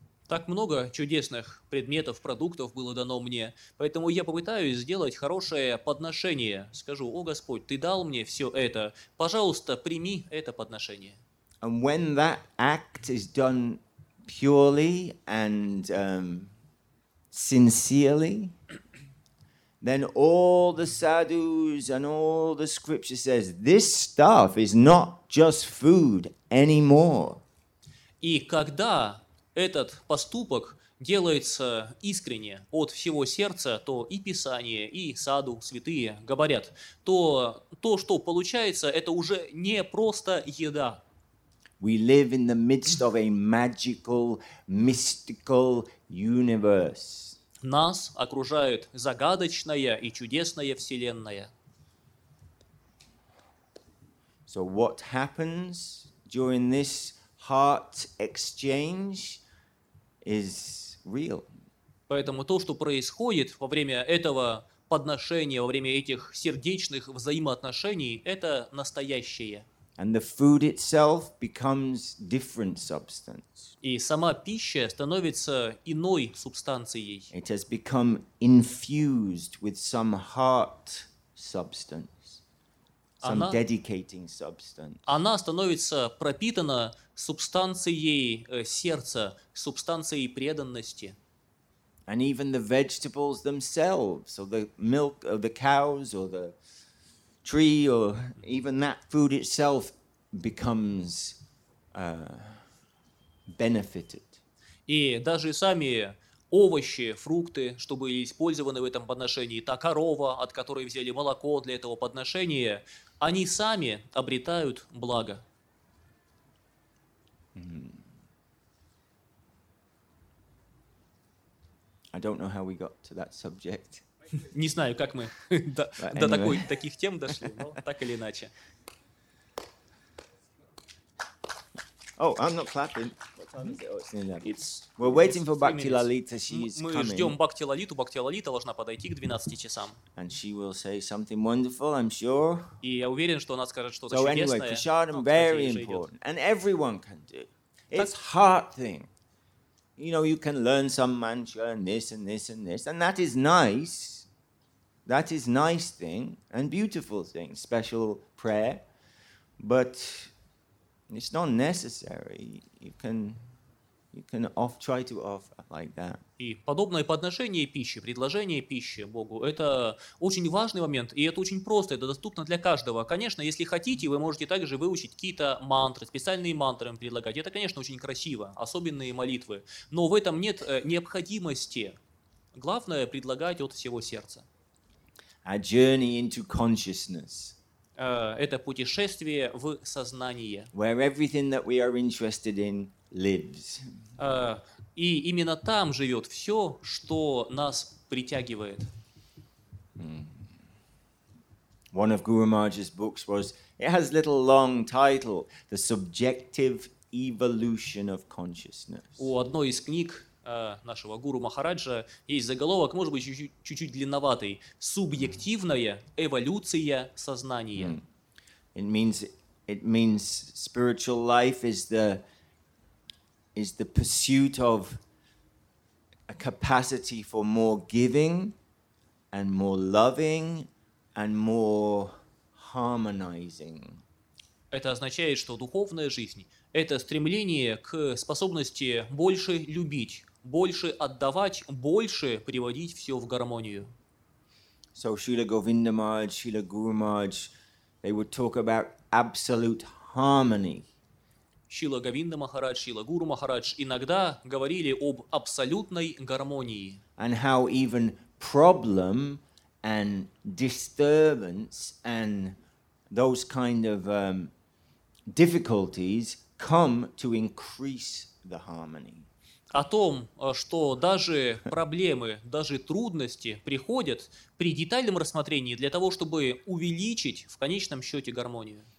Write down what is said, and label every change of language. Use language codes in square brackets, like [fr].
[ru] Так много чудесных предметов, продуктов было дано мне, поэтому я попытаюсь сделать хорошее подношение. Скажу, о Господь, ты дал мне все это, пожалуйста, прими это подношение. [en] And when that act is done purely and sincerely, then all the sadhus and all the scripture says, this stuff is not just food anymore. [ru] И когда этот поступок делается искренне от всего сердца, то и Писание, и саду, святые говорят, то, что получается, это уже не просто еда. [en] We live in the midst of a magical, mystical universe. [ru] Нас окружает загадочная и чудесная вселенная. [en] So what happens during this heart exchange is real. [ru] Поэтому то, что происходит во время этого подношения, во время этих сердечных взаимоотношений, это настоящее. [en] And the food itself becomes different substance. [ru] И сама пища становится иной субстанцией. [en] It has become infused with some heart substance, some dedicating substance. [ru] Она становится пропитана субстанцией сердца, субстанцией преданности. [en] And even the vegetables themselves, so the milk of the cows or the tree or even that food itself becomes benefited. [ru] И даже сами овощи, фрукты, что были использованы в этом подношении, та корова, от которой взяли молоко для этого подношения, они сами обретают благо. [en] I don't know how we got to that subject. [ru] Не знаю, как мы до таких тем дошли, но так или иначе. [en] Oh, I'm not clapping. What time is it? Oh, it's nearly. We're waiting for Bhakti Lalita. She is coming. [ru] Мы ждем Бхакти Лалиту. Бхакти Лалита должна подойти к 12 часам. [en] And she will say something wonderful, I'm sure. [ru] И я уверен, что она скажет что-то чудесное. [en] So anyway, prasadam very important, and everyone can do. It's heart thing. You know, you can learn some mantra and this and this and this, and that is nice. That is nice thing and beautiful thing, special prayer, but. It's not necessary. You can try to offer like that. [ru] И подобное подношение пищи, предложение пищи Богу, это очень важный момент, и это очень просто, это доступно для каждого. Конечно, если хотите, вы можете также выучить какие-то мантры, специальные мантры им предлагать. Это, конечно, очень красиво, особенные молитвы. Но в этом нет необходимости. Главное – предлагать от всего сердца. [en] A journey into consciousness. [ru] Это путешествие в сознание. [en] Where everything that we are interested in lives. [ru] И именно там живет все, что нас притягивает. [en] One of Guru Maharaj's books was, it has little long title, The Subjective Evolution of Consciousness. [ru] У одной из книг нашего Гуру Махараджа есть заголовок, может быть, чуть-чуть длинноватый. Субъективная эволюция сознания. [en] It means spiritual life is the pursuit of a capacity for more giving and more loving and more harmonizing. [ru] Это означает, что духовная жизнь — это стремление к способности больше любить, больше отдавать, больше приводить все в гармонию. [en] So Srila Govinda Maharaj, Srila Guru Maharaj, they would talk about absolute harmony. [ru] Srila Govinda Maharaj, Srila Guru Maharaj иногда говорили об абсолютной гармонии. [en] And how even problem and disturbance and those kind of difficulties come to increase the harmony. [ru] О том, что даже проблемы, даже трудности приходят при детальном рассмотрении для того, чтобы увеличить в конечном счете гармонию.